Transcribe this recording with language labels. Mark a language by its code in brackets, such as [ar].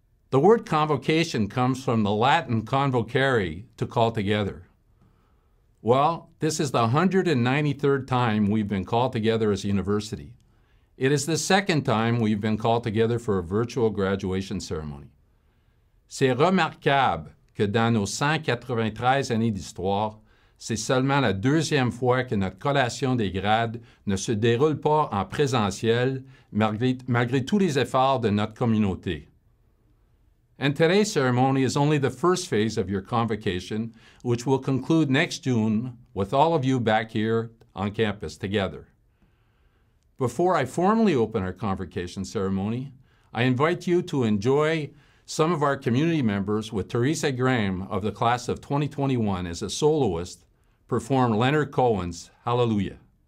[en] The word convocation comes from the Latin convocare, to call together. Well, this is the 193rd time we've been called together as a university. It is the second time we've been called together for a virtual graduation ceremony. [fr] C'est remarquable que dans nos 193 années d'histoire, c'est seulement la deuxième fois que notre collation des grades ne se déroule pas en présentiel, malgré tous les efforts de notre communauté. [en] And today's ceremony is only the first phase of your convocation, which will conclude next June with all of you back here on campus together. Before I formally open our convocation ceremony, I invite you to enjoy some of our community members with Teresa Graham of the class of 2021 as a soloist, perform Leonard Cohen's Hallelujah.